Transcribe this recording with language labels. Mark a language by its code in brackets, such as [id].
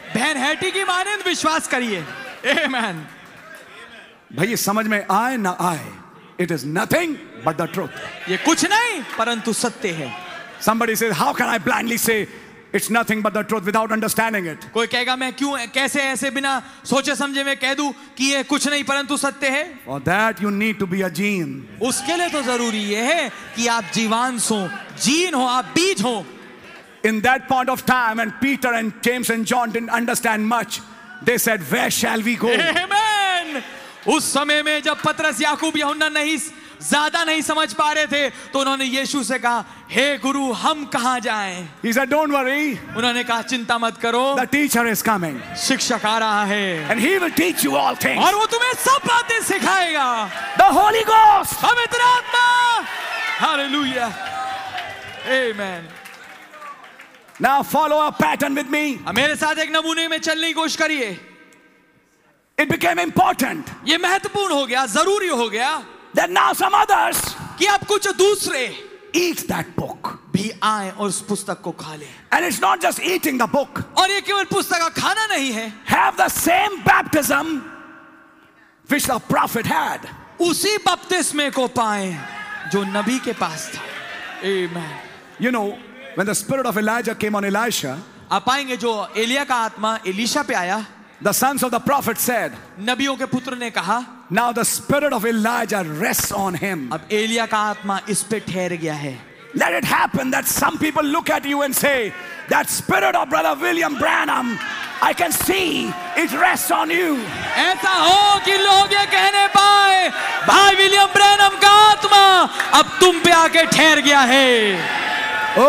[hi] बहन हैटी की मानिंद विश्वास करिए. [en] Amen. [hi] भाई समझ में आए ना आए, [en] it is nothing but the truth. [hi] ये कुछ नहीं परंतु सत्य है. [en] Somebody says, how can I blindly say it's nothing but the truth without understanding it? [hi] कोई कहेगा मैं क्यों कैसे ऐसे बिना सोचे समझे मैं कह दूं कि ये कुछ नहीं परंतु सत्य है? [en] For that you need to be a gene. [hi] उसके लिए तो जरूरी ये है कि आप जीवांश हो, जीन हो, आप बीज हो. [en] In that point of time, and Peter and James and John didn't understand much. They said, where shall we go? Amen. [hi] उस समय में जब पतरस याकूब यूहन्ना नहीं ज्यादा नहीं समझ पा रहे थे तो उन्होंने यीशु से कहा हे गुरु हम कहां जाएं? [en] He said, don't worry. [hi] उन्होंने कहा चिंता मत करो. [en] The teacher is coming. [hi] शिक्षक आ रहा है. [en] And he will teach you all things. [hi] और वो तुम्हें सब बातें सिखाएगा. [en] The Holy Ghost. [hi] पवित्र आत्मा. Hallelujah. Amen. [en] Now follow a pattern with me. [hi] मेरे साथ एक नमूने में चलने की कोशिश करिए. [en] It became important. [hi] ये महत्वपूर्ण हो गया, जरूरी हो गया. [en] That now some others. [hi] कि अब कुछ दूसरे. [en] Eat that book. [hi] भी आए और उस पुस्तक को खा ले. [en] And it's not just eating the book. [hi] और ये केवल पुस्तक का खाना नहीं है. [en] Have the same baptism which the prophet had. [hi] उसी बपतिस्मे को पाएं जो नबी के पास था. [en] Amen. You know when the spirit of Elijah came on Elisha. [hi] आप पाएंगे जो एलिया का आत्मा एलिशा पे आया. [en] The sons of the prophet said. [hi] नबियों के पुत्र ने कहा. [en] Now the spirit of Elijah rests on him. [hi] अब एलिया का आत्मा इस पे ठहर गया है. [en] Let it happen that some people look at you and say, that spirit of brother William Branham, I can see it rests on you. [hi] ऐसा हो कि लोग ये कहने पाए, भाई विलियम ब्रैनम का आत्मा अब तुम पे आके ठहर गया है.